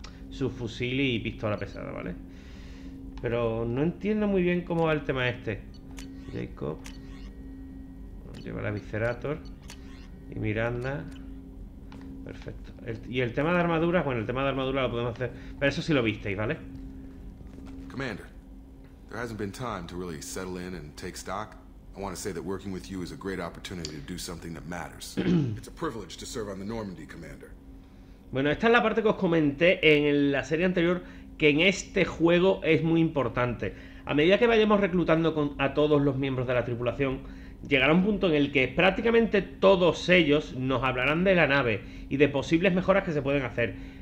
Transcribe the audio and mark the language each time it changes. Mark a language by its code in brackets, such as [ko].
[es] Subfusil y pistola pesada, ¿vale? Pero no entiendo muy bien cómo va el tema este. Jacob. Lleva la Viscerator. Y Miranda. Perfecto. Y el tema de armaduras, bueno, el tema de armadura lo podemos hacer, pero eso sí lo visteis, ¿vale? [en] Commander, there hasn't been time to really settle in and take stock. I want to say that working with you is a great opportunity to do something that matters. It's a privilege to serve on the Normandy, Commander. [es] Bueno, esta es la parte que os comenté en la serie anterior, que en este juego es muy importante. A medida que vayamos reclutando a todos los miembros de la tripulación, llegará un punto en el que prácticamente todos ellos nos hablarán de la nave y de posibles mejoras que se pueden hacer.